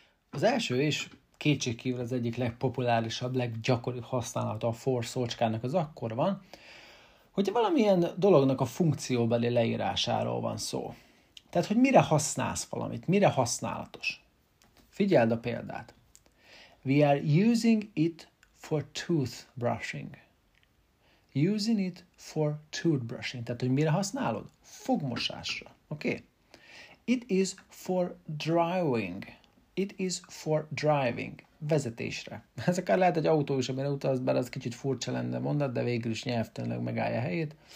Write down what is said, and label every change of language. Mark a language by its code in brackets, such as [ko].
[hu] Az első és kétségkívül az egyik legpopulárisabb, leggyakoribb használata a for szócskának az akkor van, hogyha valamilyen dolognak a funkcióbeli leírásáról van szó. Tehát, hogy mire használsz valamit, mire használatos. Figyeld a példát. [en] We are using it for toothbrushing. Using it for toothbrushing. [hu] Tehát, hogy mire használod? Fogmosásra. Oké? [en] Okay. It is for driving. It is for driving. [hu] Vezetésre. Ez akár lehet egy autó is, amire utaz, bár az kicsit furcsa lenne mondat, de végül is nyelvtelenleg megállja helyét.